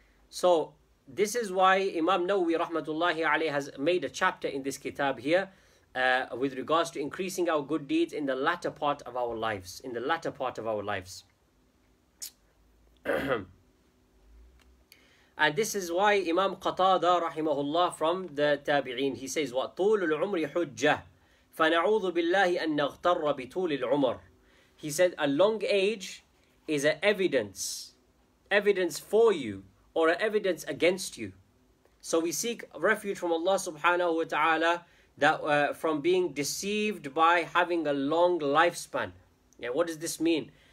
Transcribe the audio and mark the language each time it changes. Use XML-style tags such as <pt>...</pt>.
<en>So this is why Imam Nawawi rahmatullahi alayhi has made a chapter in this kitab here with regards to increasing our good deeds in the latter part of our lives. In the latter part of our lives. And this is why Imam Qatada rahimahullah from the Tabi'een, he says, "Wa</en> <ar>طول العمر حجة." فنعوذ بالله أن نغتر بطول العمر.</ar> <en>He said, a long age is an evidence for you, or an evidence against you. So we seek refuge from Allah subhanahu wa ta'ala from being deceived by having a long lifespan. Yeah, what does this mean?</en>